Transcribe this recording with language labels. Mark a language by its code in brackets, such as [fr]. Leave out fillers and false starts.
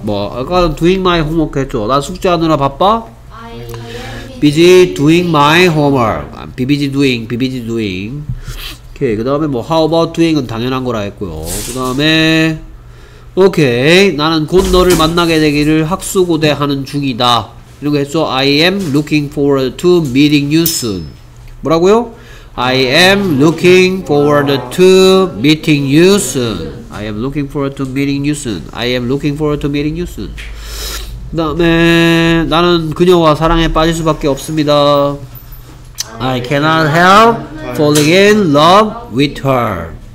[ko] 뭐 아까 [en] doing my homework [ko] 했죠. 난 숙제하느라 바빠? [en] busy doing my homework. BBG doing. [ko] 오케이. 그 다음에 뭐 how about doing은 당연한 거라 했고요. 그 다음에 오케이. 나는 곧 너를 만나게 되기를 학수고대하는 중이다 이런 거 했죠. [en] I am looking forward to meeting you soon. [ko] 뭐라고요? [en] I am looking forward to meeting you soon. I am looking forward to meeting you soon. I am looking forward to meeting you soon. [ko] 그 다음에 나는 그녀와 사랑에 빠질 수밖에 없습니다. [en] I cannot help falling in love with her.